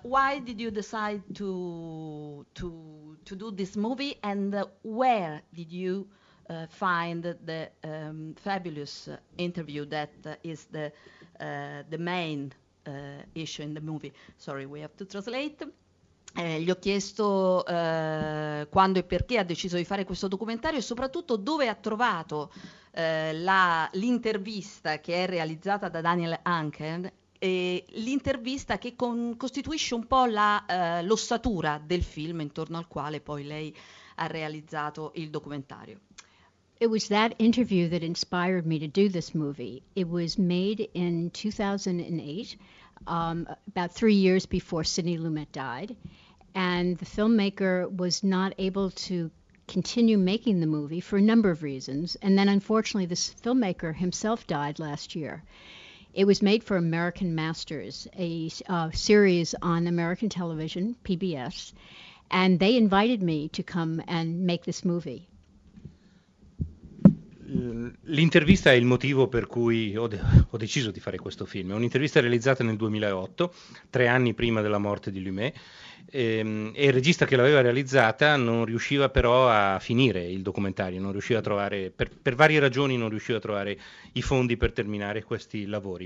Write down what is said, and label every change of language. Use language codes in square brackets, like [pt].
[en] Why did you decide to do this movie and where did you find the fabulous interview that is the main issue in the movie? Sorry, we have to translate. [it] Gli ho chiesto quando e perché ha deciso di fare questo documentario e soprattutto dove ha trovato l'intervista che è realizzata da Daniel Anken, l'intervista che costituisce un po' l'ossatura del film intorno al quale poi lei ha realizzato il documentario. [en] It was that interview that inspired me to do this movie. It was made in 2008, about 3 years before Sidney Lumet died, and the filmmaker was not able to continue making the movie for a number of reasons, and then unfortunately this filmmaker himself died last year. It was made for American Masters, a series on American television, PBS, and they invited me to come and make this movie. [it] L'intervista è il motivo per cui ho deciso di fare questo film. È un'intervista realizzata nel 2008, 3 anni prima della morte di Lumet, e il regista che l'aveva realizzata non riusciva però a finire il documentario, non riusciva a trovare, per varie ragioni non riusciva a trovare i fondi per terminare questi lavori.